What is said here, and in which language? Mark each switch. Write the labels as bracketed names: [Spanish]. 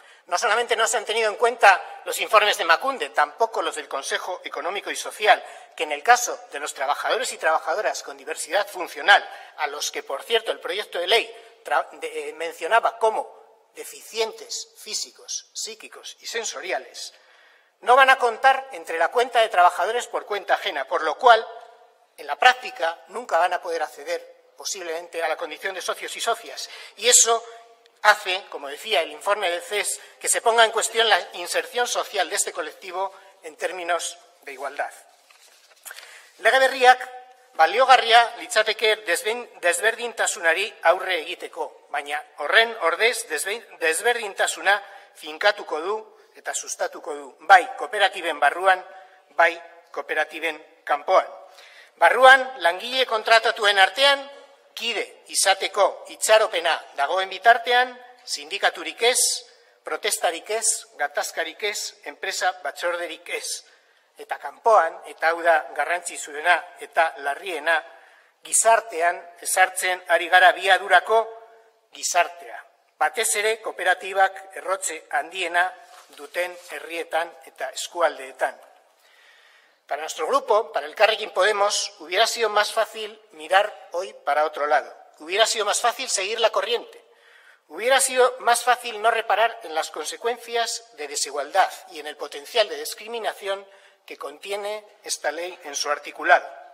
[Spanish] No solamente no se han tenido en cuenta los informes de Macunde, tampoco los del Consejo Económico y Social, que en el caso de los trabajadores y trabajadoras con diversidad funcional, a los que, por cierto, el proyecto de ley mencionaba como deficientes físicos, psíquicos y sensoriales, no van a contar entre la cuenta de trabajadores por cuenta ajena, por lo cual, en la práctica, nunca van a poder acceder posiblemente a la condición de socios y socias. Y eso hace, como decía el informe del CES, que se ponga en cuestión la inserción social de este colectivo en términos de igualdad. [Basque] Lege berriak baliogarria litzateke desberdintasunari aurre egiteko, baina horren ordez desberdintasuna finkatuko du eta sustatuko du, bai kooperatiben barruan, bai kooperatiben kanpoan. Barruan, langile kontratatuen artean, kide izateko itxaropena dagoen bitartean, sindikaturik ez, protestarik ez, gatazkarik ez, enpresa batzorderik ez. Eta kanpoan, eta hau da garrantzitsuena eta larriena, gizartean ezartzen ari gara biadurako gizartea. Batez ere, kooperatibak errotze handiena duten herrietan eta eskualdeetan. [Spanish] Para nuestro grupo, para el Carrequín Podemos, hubiera sido más fácil mirar hoy para otro lado. Hubiera sido más fácil seguir la corriente. Hubiera sido más fácil no reparar en las consecuencias de desigualdad y en el potencial de discriminación que contiene esta ley en su articulado.